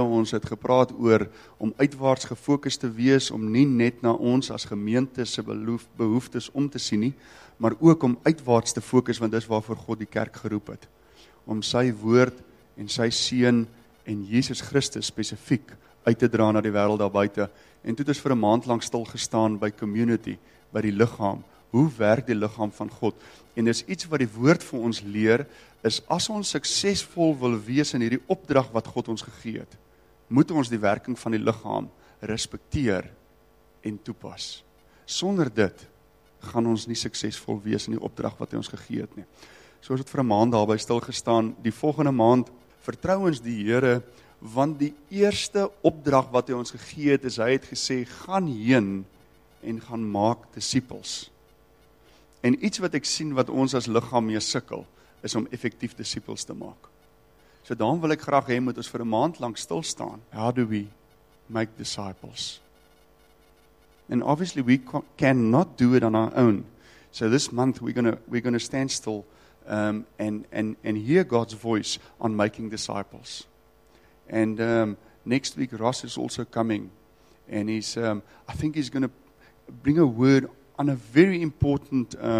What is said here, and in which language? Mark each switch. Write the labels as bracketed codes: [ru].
[af] Ons het gepraat oor om uitwaarts gefokus te wees, om nie net na ons as gemeente se behoeftes om te sien nie, maar ook om uitwaarts te fokus, want dis waarvoor God die kerk geroep het. Om sy woord en sy seun en Jesus Christus spesifiek uit te dra na die wêreld daar buite. En toe het ons vir 'n maand lank stil gestaan by community, by die liggaam. Hoe werk die liggaam van God? En dis iets wat die woord vir ons leer, is as ons suksesvol wil wees in hierdie opdrag wat God ons gegee het, moet ons die werking van die liggaam respekteer en toepas. Sonder dit gaan ons nie suksesvol wees in die opdrag wat hy ons gegee het nie. So ons het vir 'n maand daarby stil gestaan. Die volgende maand vertrou ons die Here, want die eerste opdrag wat hy ons gegee het, is hy het gesê, gaan heen en gaan maak disippels. En iets wat ek sien wat ons as liggaam mee sukkel, is om effektief disippels te maak. So daarom wil ek graag hê, moet ons vir 'n maand lank stil staan. [en] How do we make disciples? And obviously we cannot do it on our own. So this month we're gonna stand still and hear God's voice on making disciples. And next week Ross is also coming, and he's I think he's going to bring a word on a very important